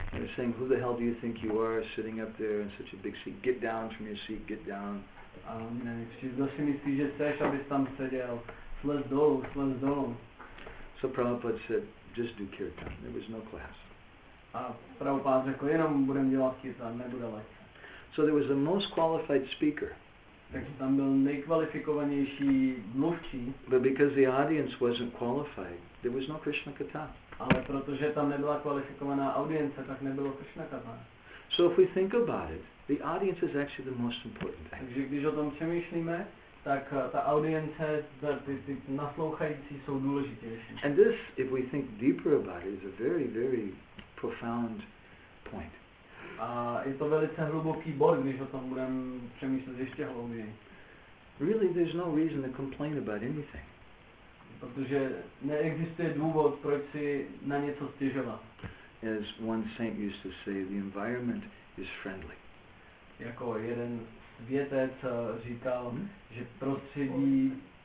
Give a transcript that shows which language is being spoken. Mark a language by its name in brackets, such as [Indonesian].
[English] They were saying, who the hell do you think you are sitting up there in such a big seat? Get down from your seat, get down. [Czech] A oni kdo si myslí, že chceš, abys tam seděl? Slez dolů, slez dolů. [English] So Prabhupada said, just do kirtan. There was no class. [Czech] A Prabhupada řekl, jenom budeme dělat kirtan, nebude lekce. [English] So there was the most qualified speaker. [Czech] Takže tam byl nejkvalifikovanější mluvčí. [English] But because the audience wasn't qualified, there was no Krishna katha. [Czech] Ale protože tam nebyla kvalifikovaná audience, tak nebylo Krishna katha. [English] So if we think about it, the audience is actually the most important thing. [Czech] Takže když o tom přemýšlíme, tak ta audience, ty naslouchající jsou důležitější. [English] And this, if we think deeper about it, is a very, very profound point. [Czech] A je to velice hluboký bod, když o tom budeme přemýšlet ještě hlouběji. [English] Really, there's no reason to complain about anything. [Czech] Protože neexistuje důvod, proč si na něco stěžovat. [English] As one saint used to say, the environment is friendly. [Czech] Jako jeden světec říkal, že prostředí...